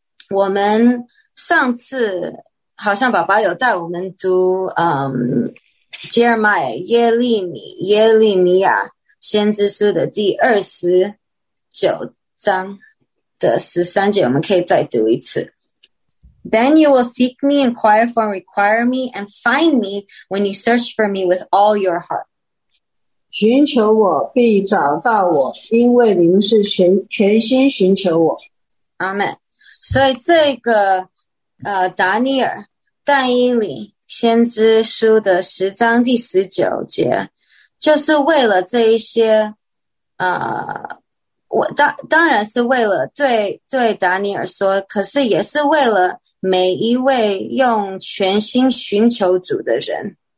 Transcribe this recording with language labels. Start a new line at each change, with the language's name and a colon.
Chinese: 我们上次好像爸爸有带我们读Jeremiah 耶利米亚先知书的第二十九章的十三节，我们可以再读一次。
English: Then you will seek me, inquire for, and require me, and find me when you search for me with all your heart.
Chinese: 寻求我必找到我，因为您是全心寻求我。阿们。所以这个达尼尔但以理先知书的十章第十九节，就是为了这一些当然是为了对达尼尔说，可是也是为了每一位用全心寻求主的人。